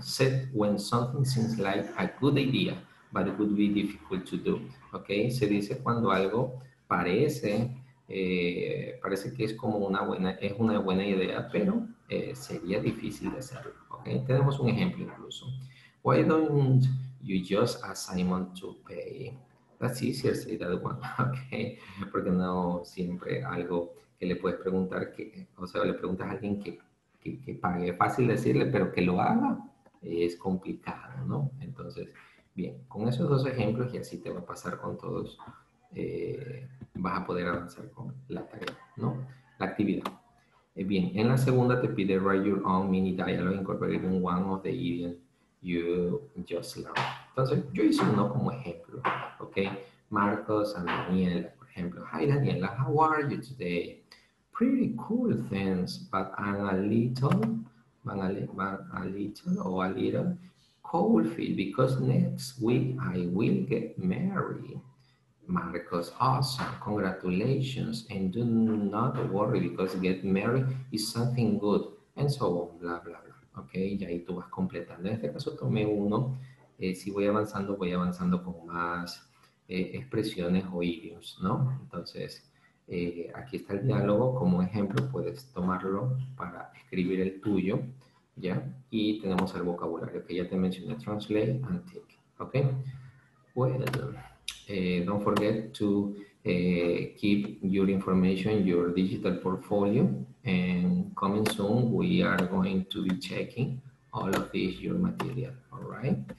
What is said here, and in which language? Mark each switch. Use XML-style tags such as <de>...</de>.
<en>Set when something seems like a good idea, but it would be difficult to do. Okay?</en> <es>Se dice cuando algo parece que es como una buena idea, pero sería difícil de hacerlo. Okay? Tenemos un ejemplo incluso.</es> <en>Why don't you just ask Simon to pay? That's easier, say that one, okay?</en> <es>Porque no siempre algo que le puedes preguntar, le preguntas a alguien que pague, es fácil decirle, pero que lo haga, es complicado, ¿no? Entonces, bien, con esos dos ejemplos, y así te va a pasar con todos, vas a poder avanzar con la tarea, ¿no? La actividad. Bien, en la segunda te pide</es> <en>write your own mini dialogue, incorporate in one of the idioms you just learned.</en> <es>Entonces, yo hice uno como ejemplo, ¿ok? Marcos and Daniel, por ejemplo.</es> <en>Hi, Daniela, how are you today? Pretty cool, thanks, but I'm a little, cold feet because next week I will get married. Marcos, awesome, congratulations, and do not worry because get married is something good, and so on, bla, bla, bla.</en> <es>Ok, y ahí tú vas completando. En este caso tomé uno, si voy avanzando, voy avanzando con más expresiones o idioms, ¿no? Entonces, aquí está el diálogo, como ejemplo, puedes tomarlo para escribir el tuyo, ¿ya? Y tenemos el vocabulario que ya te mencioné, translate and take, ¿ok?</es> <en>Well, don't forget to keep your information, your digital portfolio, and coming soon we are going to be checking all of this, your material, all right?</en>